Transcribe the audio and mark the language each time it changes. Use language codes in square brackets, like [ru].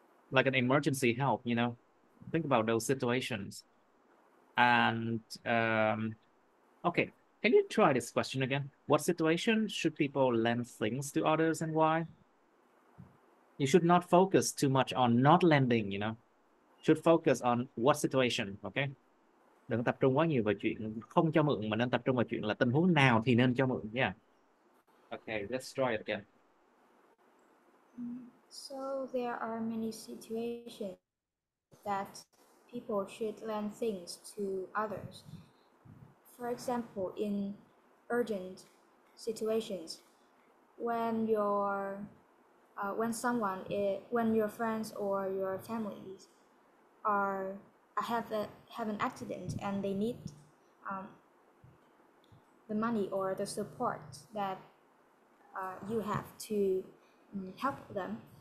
[en] Like an emergency help, you know. Think about those situations. And okay, can you try this question again? What situation should people lend things to others and why? You should not focus too much on not lending, you know. Should focus on what situation, okay? [vi] Đừng tập trung quá nhiều vào chuyện không cho mượn mà nên tập trung vào chuyện là tình huống nào thì nên cho mượn nha. [en] Okay, let's try it again. So there are many situations that people should lend things to others. For example, in urgent situations, when your when someone is, when your friends or your families are have a, have an accident and they need the money or the support that you have to help them.